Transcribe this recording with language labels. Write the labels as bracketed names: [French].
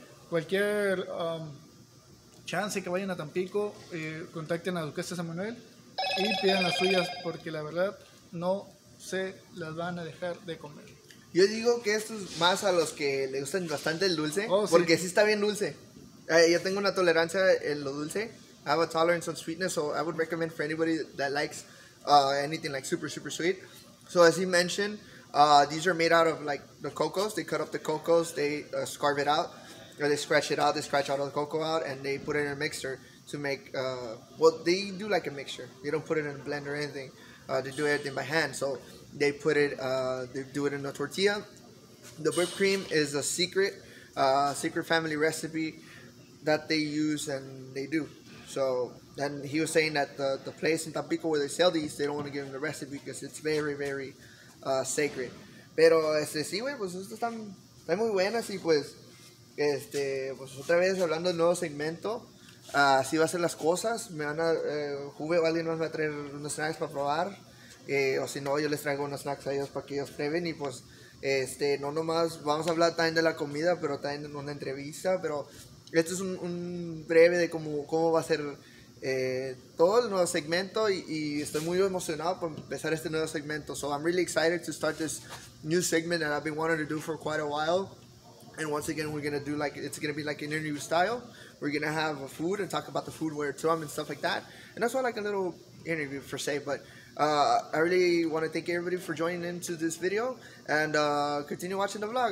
[Spanish] Cualquier chance que vayan a Tampico, contacten a Duquesa San Manuel y pidan las suyas, porque la verdad no se las van a dejar de comer. Yo digo que esto es más a los que le gustan bastante el dulce, porque sí está bien dulce. Yo tengo una tolerancia en lo dulce. [English] I have a tolerance on sweetness, so I would recommend for anybody that likes anything like super, super sweet. So as you mentioned, these are made out of like the cocos. They cut up the cocos, they scarf it out, or they scratch it out, they scratch all the cocoa out, and they put it in a mixer to make, they do like a mixture. They don't put it in a blender or anything. They do everything by hand. So they put it, they do it in a tortilla. The whipped cream is a secret family recipe that they use and they do. So then he was saying that the place in Tampico where they sell these, they don't want to give them the recipe because it's very, very sacred. [Spanish] Pero este sí, güey, pues estas están muy buenas. Y pues este, pues otra vez hablando del nuevo segmento, así va a ser las cosas. Me van a Juve o alguien más va a traer unos snacks para probar, o si no yo les traigo unos snacks a ellos para que ellos prueben. Y pues este, no nomás vamos a hablar también de la comida, pero también en una entrevista. Pero esto es un breve de cómo va a ser todo el nuevo segmento, y estoy muy emocionado por empezar este nuevo segmento. [English] So I'm really excited to start this new segment that I've been wanting to do for quite a while. And once again, we're going to do like, it's going to be like an interview style. We're going to have a food and talk about the food, where it's from and stuff like that. And that's why I like a little interview per se. But I really want to thank everybody for joining into this video, and continue watching the vlog.